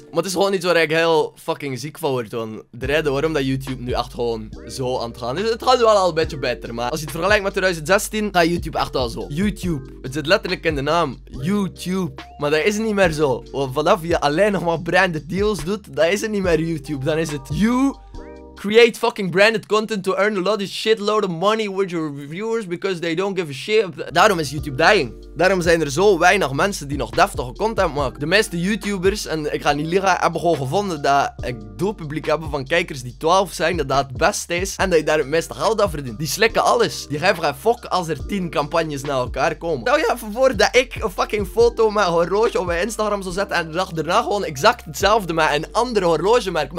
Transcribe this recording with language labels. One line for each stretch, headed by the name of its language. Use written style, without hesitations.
Dutch: Maar het is gewoon iets waar ik heel fucking ziek van word. Want de reden waarom dat YouTube nu echt gewoon zo aan het gaan is. Het gaat wel al een beetje beter. Maar als je het vergelijkt met 2016, gaat YouTube echt wel zo. YouTube. Het zit letterlijk in de naam. YouTube. Maar dat is niet meer zo. Want vanaf je alleen nog maar branded deals doet, dat is het niet meer YouTube. Dan is het you.
English: Create fucking branded content to earn a lot of shitload of money with your viewers because they don't give a shit.
Dutch: Daarom is YouTube dying. Daarom zijn er zo weinig mensen die nog deftige content maken. De meeste YouTubers, en ik ga niet liegen, hebben gewoon gevonden dat een doelpubliek hebben van kijkers die 12 zijn, dat het beste is en dat je daar het meeste geld aan verdient. Die slikken alles. Die geven geen fok als er 10 campagnes naar elkaar komen. Stel je even voor dat ik een fucking foto met een horloge op mijn Instagram zou zetten en de dag daarna gewoon exact hetzelfde met een andere horlogemerk.